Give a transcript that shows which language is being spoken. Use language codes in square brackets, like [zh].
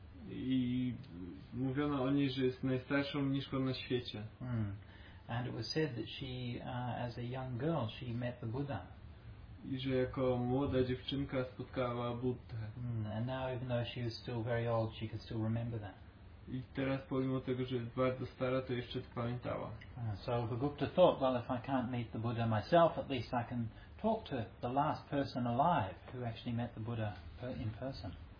[pl] I mówiono o niej, że jest najstarszą mniszką na świecie. [en] And it was said that she as a young girl she met the Buddha. [pl] I że jako młoda dziewczynka spotkała Buddę. [en] And now even though she was still very old, she could still remember that. [pl] I teraz pomimo tego, że jest bardzo stara, to jeszcze to pamiętała. [en] So Bhagupta thought, well, if I can't meet the Buddha myself, at least I can talk to the last person alive who actually met the Buddha in person.